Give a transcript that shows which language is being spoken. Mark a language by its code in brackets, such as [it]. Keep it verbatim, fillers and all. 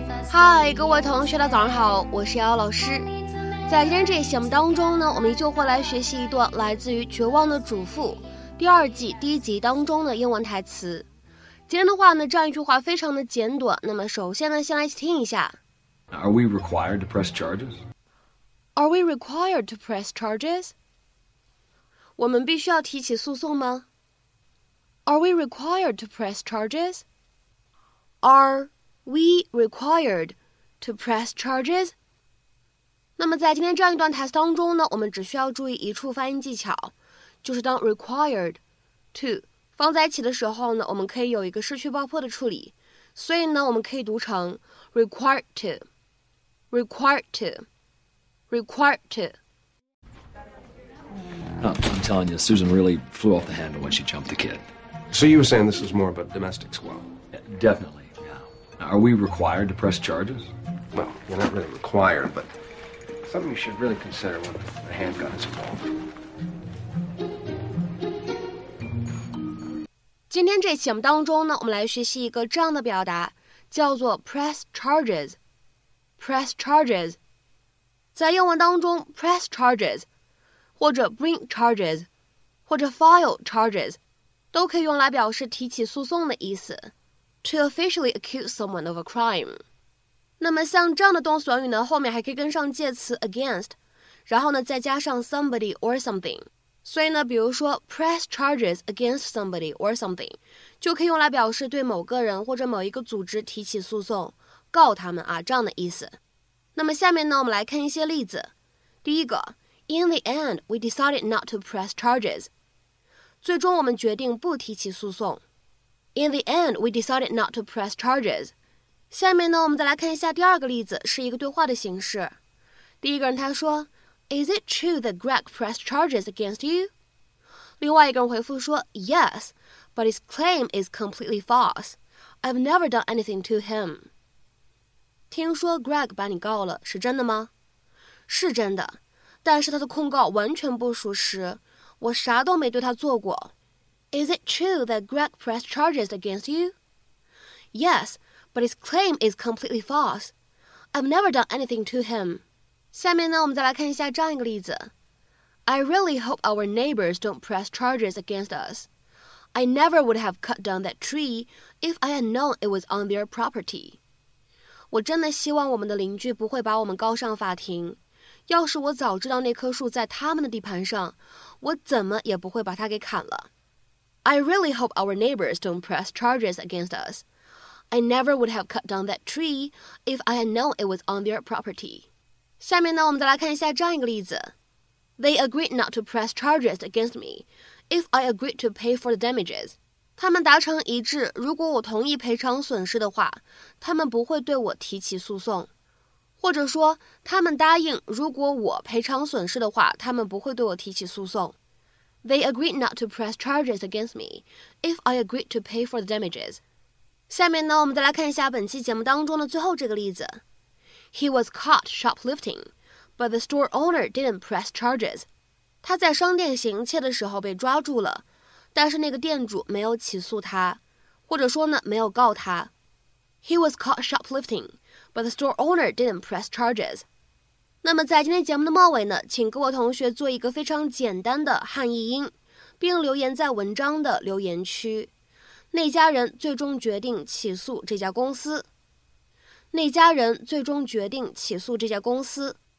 [zh] 嗨，各位同学的早上好，我是瑶瑶老师。在今天这一节目当中呢，我们依旧会来学习一段来自于《绝望的主妇》第二季第一集当中的英文台词。今天的话呢，这样一句话非常的简短。那么首先呢，先来听一下。 [en] Are we required to press charges? Are we required to press charges? [zh] 我们必须要提起诉讼吗？ [en] Are we required to press charges? Are we required to press charges? [zh] 那么在今天这样一段台词当中呢，我们只需要注意一处发音技巧，就是当 required to 放在一起的时候呢，我们可以有一个失去爆破的处理，所以呢，我们可以读成 required to, required to, required to. [en] Uh, I'm telling you, Susan really flew off the handle when she jumped the kid. So you were saying this is more of a domestic squabble? Yeah, definitely, yeah. Are we required to press charges? Well, you're not really required, but something you should really consider when the handgun is involved. [zh] 今天这期节目当中呢，我们来学习一个这样的表达，叫做 press charges. Press charges. 在英文当中 ，press charges。或者 bring charges 或者 file charges 都可以用来表示提起诉讼的意思 [en] to officially accuse someone of a crime。 [zh] 那么像这样的动词短语呢，后面还可以跟上介词 against， 然后呢再加上 somebody or something， 所以呢比如说 [en] press charges against somebody or something [zh] 就可以用来表示对某个人或者某一个组织提起诉讼，告他们啊，这样的意思。那么下面呢，我们来看一些例子。第一个， [en] In the end, we decided not to press charges. [zh] 最终我们决定不提起诉讼。 [en] In the end, we decided not to press charges. [zh] 下面呢，我们再来看一下第二个例子，是一个对话的形式。第一个人他说 [en] Is it true that Greg pressed charges against you? [zh] 另外一个人回复说 [en] Yes, but his claim is completely false. I've never done anything to him. [zh] 听说 Greg 把你告了，是真的吗？是真的。但是他的控告完全不属实，我啥都没对他做过。 [en] Is it true that Greg pressed charges against you? Yes, but his claim is completely false. I've never done anything to him. [zh] 下面呢，我们再来看一下这样一个例子。 [en] I really hope our neighbors don't press charges against us. I never would have cut down that tree if I had known it was on their property. [zh] 我真的希望我们的邻居不会把我们告上法庭。要是我早知道那棵树在他们的地盘上，我怎么也不会把它给砍了。 [en] I really hope our neighbors don't press charges against us. I never would have cut down that tree if I had known it was on their property. [zh] 下面呢，我们再来看一下这样一个例子。 [en] They agreed not to press charges against me if I agreed to pay for the damages. [zh] 他们达成一致，如果我同意赔偿损失的话，他们不会对我提起诉讼。或者说，他们答应，如果我赔偿损失的话，他们不会对我提起诉讼。 [en] They agreed not to press charges against me if I agreed to pay for the damages. [zh] 下面呢，我们再来看一下本期节目当中的最后这个例子。 [en] He was caught shoplifting, but the store owner didn't press charges. [zh] 他在商店行窃的时候被抓住了，但是那个店主没有起诉他，或者说呢，没有告他。 [en] He was caught shoplifting, but the store owner didn't press charges. [zh] 那么在今天节目的末尾呢，请各位同学做一个非常简单的汉译音，并留言在文章的留言区。那家人最终决定起诉这家公司。那家人最终决定起诉这家公司。